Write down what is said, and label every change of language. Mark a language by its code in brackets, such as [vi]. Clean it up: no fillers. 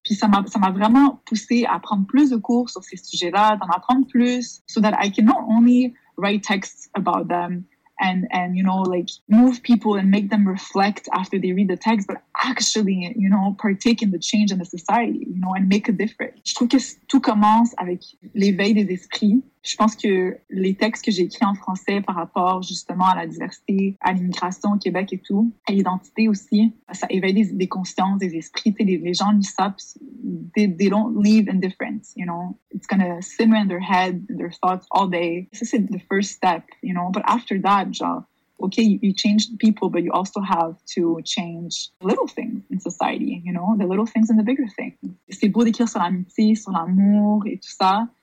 [fr] Puis ça m'a vraiment poussé à prendre plus de cours sur ces sujets-là, d'en apprendre plus, [en] so that I can not only write texts about them, and you know, like, move people and make them reflect after they read the text, but actually, you know, partake in the change in the society, you know, and make a difference. [fr] Je trouve que tout commence avec l'éveil des esprits. Je pense que les textes que j'ai écrits en français par rapport justement à la diversité, à l'immigration au Québec et tout, à l'identité aussi, ça éveille des consciences, des esprits. T'sais, les gens lisent ça, puis [en] they don't leave indifferent, you know. It's gonna simmer in their head, their thoughts all day. This is the first step, you know. But after that, genre, OK, you change people, but you also have to change little things in society, you know, the little things and the bigger things. [fr] C'est beau d'écrire sur l'amitié, sur l'amour et tout ça.